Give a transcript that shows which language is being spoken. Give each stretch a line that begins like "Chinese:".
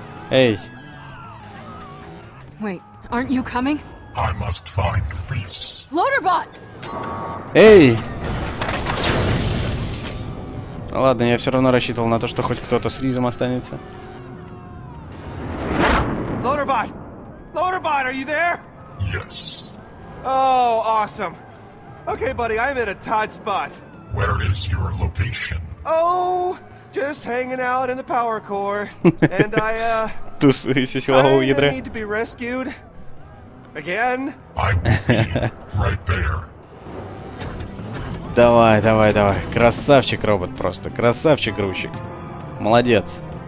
English: Эй. Wait, aren't you coming? I must find Reese. Loaderbot! Эй!
Russian: Ладно, я все равно рассчитывал на то, что хоть кто-то с Ризом останется.
English: Loaderbot! Loaderbot, are you there? Yes. Oh, awesome. Okay, buddy, I'm in a tight spot. Where is your location? Oh, j- Just hanging out in the power core. And I,
Russian: тусуюсь у силового ядра.
English: I need to be rescued. Again? I'm right there.
Russian: Давай, давай, давай. Красавчик робот просто. Красавчик-грузчик. Молодец.